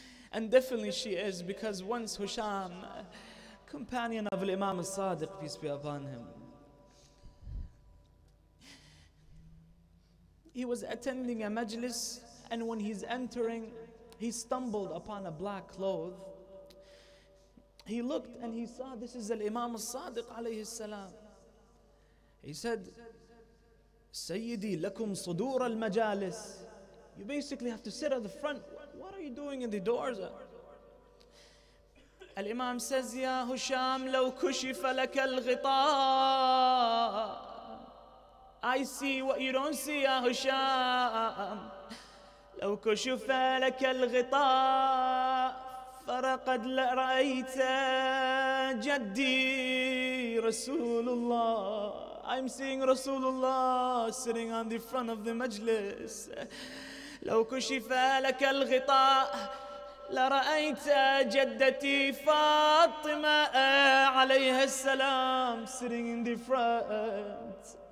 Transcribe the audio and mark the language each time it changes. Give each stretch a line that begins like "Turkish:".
English: And definitely she is, because once Husham, companion of Imam al-Sadiq, peace be upon him, he was attending a majlis, and when he's entering, he stumbled upon a black cloth. He looked and he saw this is al-Imam al-Sadiq alayhi salam.
Arabic: He said, سيدي لكم صدور المجالس.
English: You basically have to sit at the front. What are you doing in the doors?
Arabic: الإمام says, يا هشام لو كشف لك الغطاء.
English: I see what you don't see, يا هشام.
Arabic: لو كشف لك الغطاء فرقد لرأيت جدي رسول الله.
English: I'm seeing Rasulullah sitting on the front of the majlis.
Arabic: لو كشف لك الغطاء لرأيت جدتي فاطمة عليها السلام
English: sitting in the front.